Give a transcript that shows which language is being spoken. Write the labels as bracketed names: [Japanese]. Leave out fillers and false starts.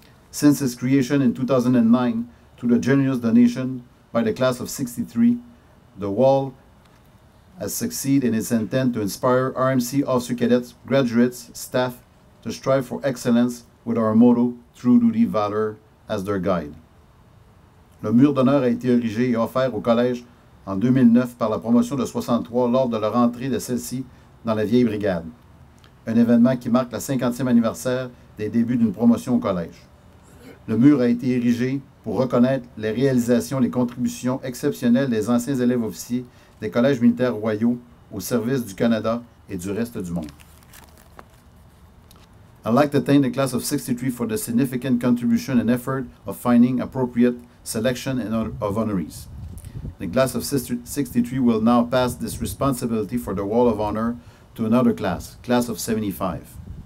[English] Since its creation in 2009 through the generous donation by the Class of 63, the Wall has succeeded in its intent to inspire RMC officer cadets, graduates, staff to strive for excellence with our motto, Truth Duty Valour, as their guide. [French] Le mur d'honneur a été érigé et offert au Collège en 2009 par la promotion de 63 lors de leur entrée de celle-ci dans la vieille brigade, un événement qui marque le 50e anniversaire des débuts d'une promotion au Collège. Le mur a été érigé pour reconnaître les réalisations et les contributions exceptionnelles des anciens élèves officiers des Collèges militaires royaux au service du Canada et du reste du monde. [English] I'd like to thank the Class of 63 for the significant contribution and effort of finding appropriate selection of honorees. The Class of 63 will now pass this responsibility for the Wall of Honor to another class, Class of 75.